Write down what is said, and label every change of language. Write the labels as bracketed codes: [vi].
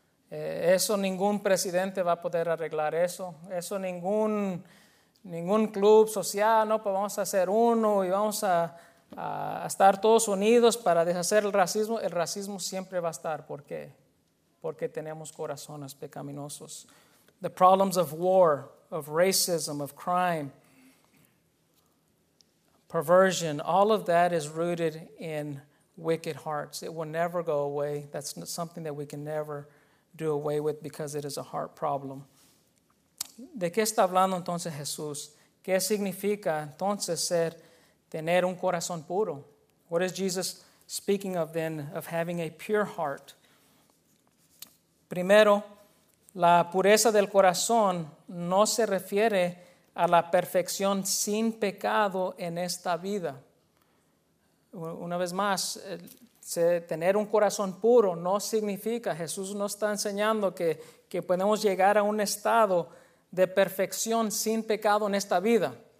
[es] Eso ningún presidente va a poder arreglar eso. Eso ningún club social, no, pues vamos a hacer uno y vamos a estar todos unidos para deshacer el racismo. El racismo siempre va a estar. ¿Por qué? Porque tenemos corazones pecaminosos. [en] The problems of war, of racism, of crime, perversion, all of that is rooted in wicked hearts. It will never go away. That's something that we can never do away with because it is a heart problem. [es] ¿De qué está hablando entonces Jesús? ¿Qué significa entonces ser tener un corazón puro? [en] What is Jesus speaking of then, of having a pure heart? [es] Primero, la pureza del corazón no se refiere a la perfección sin pecado en esta vida. Una vez más, tener un corazón puro no significa, Jesús nos está enseñando que podemos llegar a un estado de perfección sin pecado en esta vida.